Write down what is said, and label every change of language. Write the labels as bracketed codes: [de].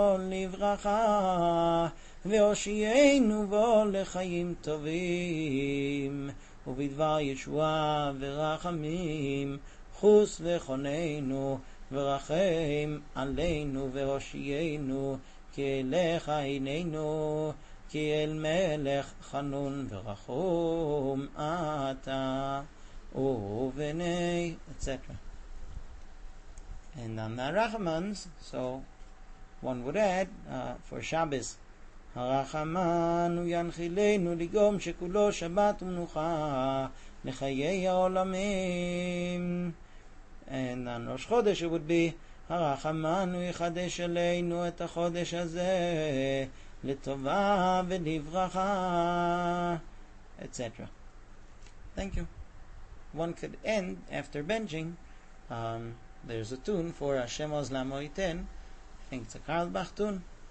[he] לברכה ואושיינו בו לחיים טובים ובדבר ישועה ורחמים חוס וחוננו ורחם עלינו ואושיינו כי אליך עינינו כי אל מלך חנון ורחום אתה ובני etc. [en] And on the Rachmans, so one would add, for Shabbos, [he] הרחמן הוא ינחילנו לגום שכולו שבת ומנוחה לחיי העולמים. [en] And on Rosh Chodesh it would be, [he] הרחמן הוא יחדש אלינו את החודש הזה לטובה ולברכה, etc. [en] Thank you. One could end after benching. There's a tune for Hashem Oz Lamo Yiten. I think it's a Karlbach tune.